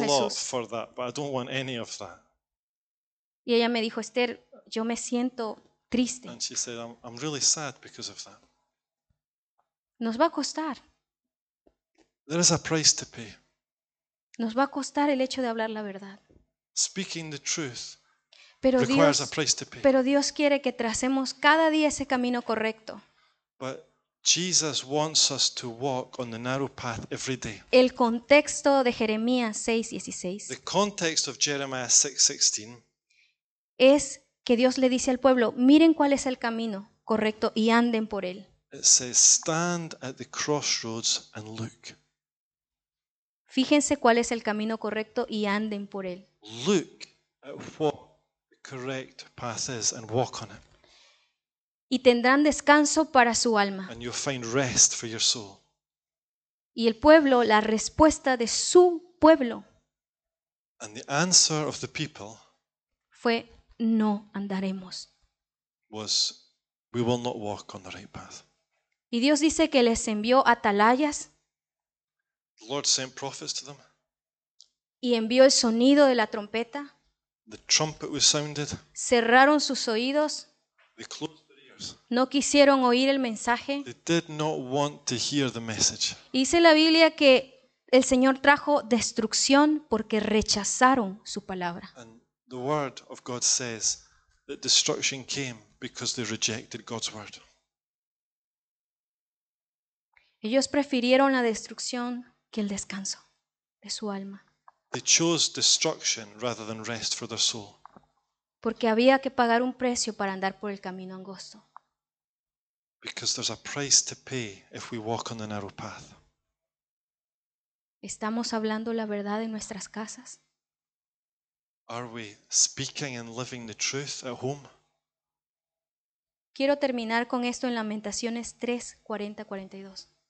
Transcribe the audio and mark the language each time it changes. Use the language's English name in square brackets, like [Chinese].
[English] Thanks a lot for that, but I don't want any of that. [Spanish] Y ella me dijo, Esther, yo me siento triste. [English] And she said, I'm really sad because of that. [Spanish] Nos va a costar. [English] There is a price to pay. [Spanish] Nos va a costar el hecho de hablar la verdad. [English] Speaking the truth [Spanish] pero [English] requires [Spanish] Dios, [English] a price to pay. [Spanish] Pero Dios quiere que tracemos cada día ese camino correcto. [English] But Jesus wants us to walk on the narrow path every day. [Spanish] El contexto de Jeremías 6:16. [English] The context of Jeremiah 6:16 [Spanish] es que Dios le dice al pueblo, miren cuál es el camino correcto y anden por él. [English] It says, stand at the crossroads and look. [Spanish] Fíjense cuál es el camino correcto y anden por él. [English] Look at what the correct path is and walk on it. [Spanish] Y tendrán descanso para su alma. [English] And you'll find rest for your soul. [Spanish] Y el pueblo, la respuesta de su pueblo. [English] And the answer of the people [Spanish] fue no andaremos. [English] Was we will not walk on the right path. [Spanish] Y Dios dice que les envió atalayas. [English] The Lord sent prophets to them. [Spanish] Y envió el sonido de la trompeta. [English] The trumpet was sounded. [Spanish] Cerraron sus oídos. [English] They closed their ears. [Spanish] No quisieron oír el mensaje. [English] They did not want to hear the message. [Spanish] Dice la Biblia que el Señor trajo destrucción porque rechazaron su palabra. [English] And the word of God says that destruction came because they rejected God's word. [Spanish] Ellos prefirieron la destrucción que el descanso de su alma. [English] They chose destruction rather than rest for their soul. [Spanish] Porque había que pagar un precio para andar por el camino angosto. [English] Because there's a price to pay if we walk on the narrow path. [Spanish] ¿Estamos hablando la verdad en nuestras casas? [English] Are we speaking and living the truth at home? [Spanish] Quiero terminar con esto en Lamentaciones 3:40-42.